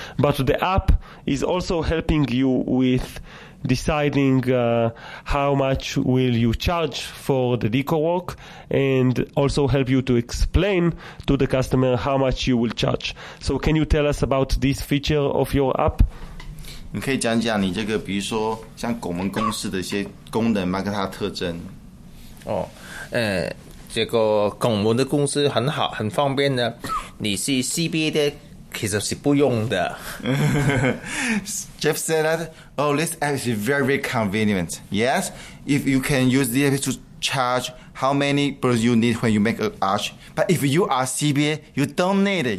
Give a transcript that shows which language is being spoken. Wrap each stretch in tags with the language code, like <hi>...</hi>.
<en>But the app is also helping you with deciding how much will you charge for the decor work, and also help you to explain to the customer how much you will charge. So can you tell us about this feature of your app?</en> <zh>你可以讲讲你这个，比如说像拱门公司的一些功能嘛，跟它的特征。哦，这个拱门的公司很好，很方便的。你是 CBA 的，其实是不用的。</zh> <en>Jeff said that, this app is very convenient. Yes, if you can use the app to charge how many balloons you need when you make an arch. But if you are CBA, you don't need it.</en>